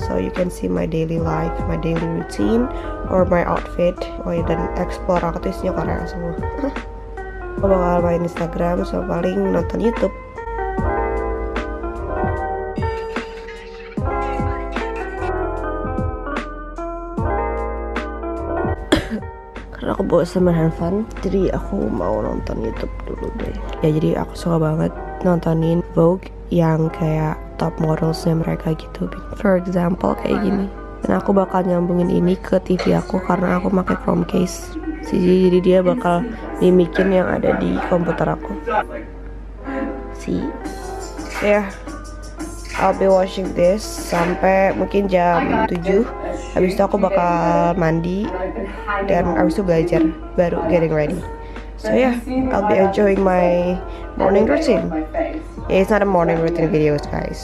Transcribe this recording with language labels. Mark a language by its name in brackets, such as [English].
[English] So you can see my daily life, my daily routine, or my outfit. [Indonesian] Oh ya, dan explore aku tuh isinya Korea semua. Aku bakal main Instagram, so paling nonton YouTube. Karena aku bawa sama handphone, jadi aku mau nonton YouTube dulu deh. Ya, jadi aku suka banget nontonin Vogue yang kayak top modelsnya mereka gitu. [English] For example, [Indonesian] kayak gini. Dan aku bakal nyambungin ini ke TV aku karena aku pakai Chromecast. Jadi dia bakal mimikin yang ada di komputer aku. [English] See? Yeah. I'll be watching this [Indonesian] sampai mungkin jam 7. Habis itu aku bakal mandi dan habis itu belajar baru [English] getting ready. So yeah, I'll be enjoying my morning routine. It's not a morning routine video, guys.